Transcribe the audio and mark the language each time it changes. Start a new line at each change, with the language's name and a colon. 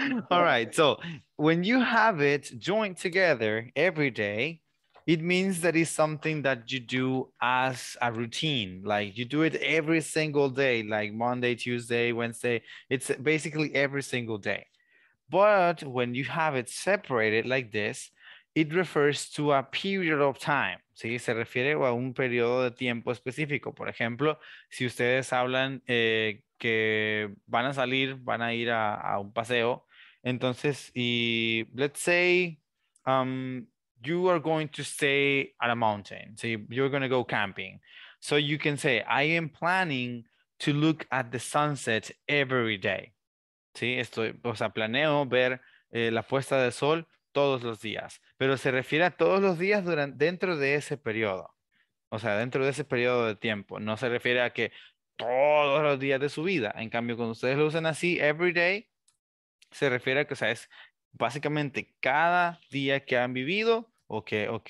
English: All right, so when you have it joined together every day, it means that it's something that you do as a routine. Like you do it every single day, like Monday, Tuesday, Wednesday. It's basically every single day. But when you have it separated like this, it refers to a period of time.
Spanish: ¿Sí? Se refiere a un periodo de tiempo específico. Por ejemplo, si ustedes hablan que van a salir, van a ir a un paseo. Entonces, y
English: let's say, you are going to stay at a mountain. So you're going to go camping. So you can say, I am planning to look at the sunset every day.
Spanish: ¿Sí? Planeo ver la puesta de sol todos los días. Pero se refiere a todos los días dentro de ese periodo. O sea, dentro de ese periodo de tiempo. No se refiere a que todos los días de su vida. En cambio, cuando ustedes lo usan así, every day, se refiere a que, o sea, es básicamente cada día que han vivido o que